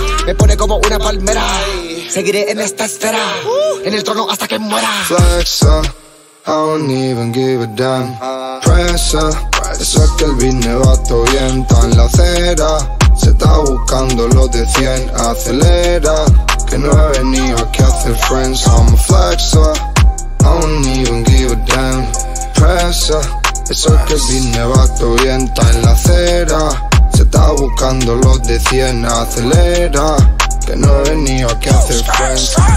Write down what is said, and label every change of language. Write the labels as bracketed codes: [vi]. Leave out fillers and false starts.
[es] Me pone como una palmera. Seguiré en esta esfera. En el trono hasta que muera. [en] Flexa. I don't even give a damn. Press up, [es] eso es que el business va todo bien. Está en la acera, se está buscando los de 100. Acelera, que no he venido aquí a hacer friends. [en] I'm a flex up, I don't even give a damn. Press up, [es] eso es que el business va todo bien. Está en la acera, se está buscando los de 100. Acelera, que no he venido aquí a hacer friends.